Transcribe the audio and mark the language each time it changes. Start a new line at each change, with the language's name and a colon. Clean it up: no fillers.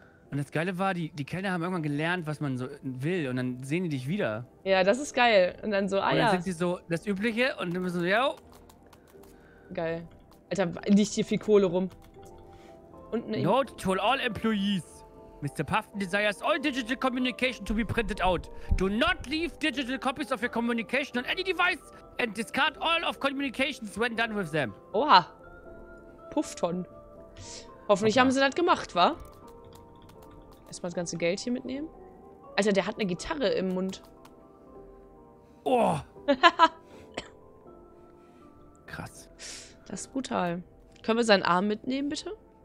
German: Und das Geile war, die Kellner haben irgendwann gelernt, was man so will und dann sehen die dich wieder. Ja, das ist geil. Und dann so, ah ja. Und dann sind sie so das Übliche und dann müssen so, ja. Geil. Alter, liegt hier viel Kohle rum. Und ne
English: Note to all employees. Mr. Puffin desires all digital communication to be printed out. Do not leave digital copies of your communication on any device and discard all of communications when done with them.
German: Oha. Puffton. Hoffentlich okay. Haben sie das gemacht, wa? Erstmal das ganze Geld hier mitnehmen. Alter, der hat eine Gitarre im Mund. Oh! Krass. Das ist brutal. Können wir seinen Arm mitnehmen, bitte?